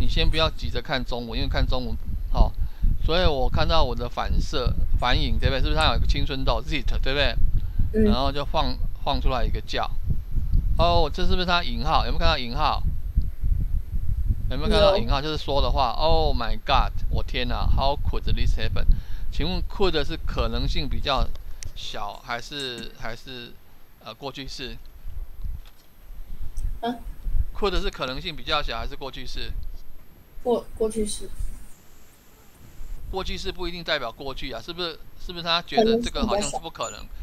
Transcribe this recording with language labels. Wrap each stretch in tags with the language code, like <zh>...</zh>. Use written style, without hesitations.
<zh>你先不要急着看中文，因为看中文好。哦所以我看到我的反射反影对不对？是不是它有一个青春痘 ？Zit 对不对？嗯、然后就晃出来一个叫。哦、oh, ，这是不是它引号？有没有看到引号？有没有看到引号？就是说的话。</zh> <en>Oh my God！</en> <zh>我天哪</zh> <en>！How could this happen？</en> <zh>请问 could 是可能性比较小，还是过去式？啊？Could 是可能性比较小，还是过去式？过去式。过去式不一定代表过去啊，是不是？是不是他觉得这个好像是不可能？</zh>